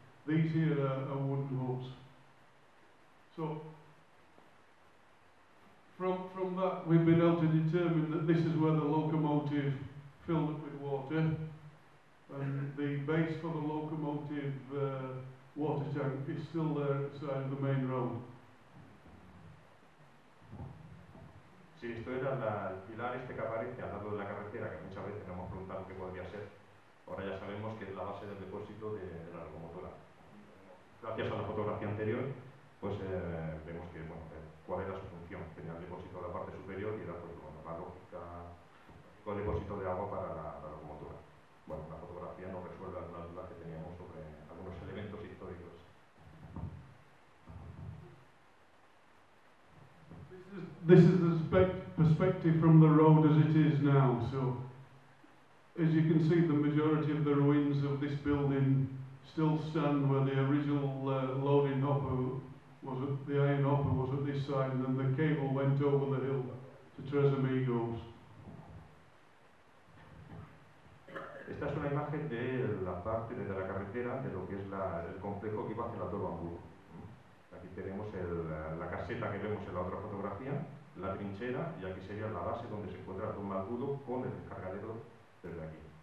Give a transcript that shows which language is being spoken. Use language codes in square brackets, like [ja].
[en] These here are wooden huts. So, from that we've been able to determine that this is where the locomotive filled up with water, and the base for the locomotive water tank is still there at the side of the main road. [es] Sí, esto era la, el pilar este que aparece al lado de la carretera, que muchas veces nos hemos preguntado qué podría ser. Ahora ya sabemos que es la base del depósito de la locomotora. Gracias a la fotografía anterior, pues vemos que, bueno, cuál era su función. Tenía el depósito de la parte superior y era, pues, bueno, la lógica, con el depósito de agua para la, la locomotora. Bueno, la fotografía nos resuelve algunas dudas que teníamos sobre algunos elementos históricos. [en] This is the perspective from the road as it is now. So, as you can see, the majority of the ruins of this building still stand where the original loading hopper was at, the iron hopper was at this side, and then the cable went over the hill to Tres Amigos. [es] Esta es una imagen de la parte de la carretera de lo que es la, el complejo que iba hacia la Torre Bambú. Aquí tenemos el, la caseta que vemos en la otra fotografía, la trinchera, y aquí sería la base donde se encuentra el embudo con el descargadero desde aquí.